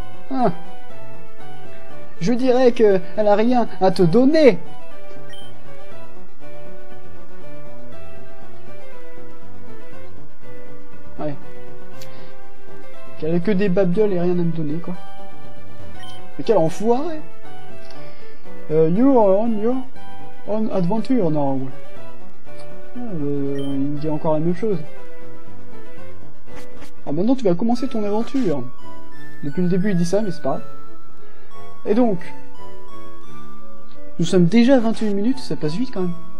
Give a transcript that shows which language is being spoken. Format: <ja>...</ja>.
<fr>Ah. Je dirais que elle a rien à te donner. Ouais. Qu'elle a que des babioles et rien à me donner, quoi. Mais quel enfoiré.</fr> <en>You are on your own adventure now.</en> <fr>Il me dit encore la même chose. Ah, maintenant tu vas commencer ton aventure. Depuis le début il dit ça, mais c'est pas. Et donc, nous sommes déjà à 21 minutes, ça passe vite quand même.</fr>